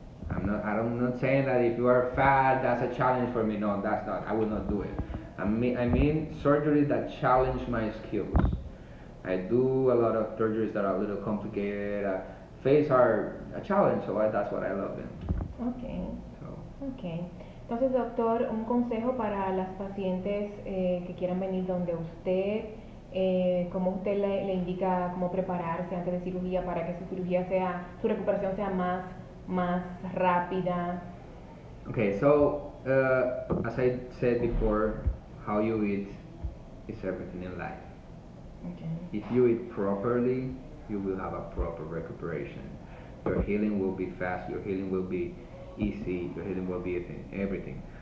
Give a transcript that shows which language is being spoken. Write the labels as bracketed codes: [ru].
[en] I'm not saying that if you are fat, that's a challenge for me. No, that's not. I would not do it. I mean surgeries that challenge my skills. I do a lot of surgeries that are a little complicated. Face are a challenge, so that's what I love them. Okay. So. Okay. [es] Entonces, doctor, un consejo para las pacientes que quieran venir donde usted. ¿Cómo usted le indica cómo prepararse antes de cirugía para que su cirugía sea, su recuperación sea más rápida? [en] Okay, so as I said before, how you eat is everything in life. Okay. If you eat properly, you will have a proper recuperation. Your healing will be fast, your healing will be easy, your healing will be everything.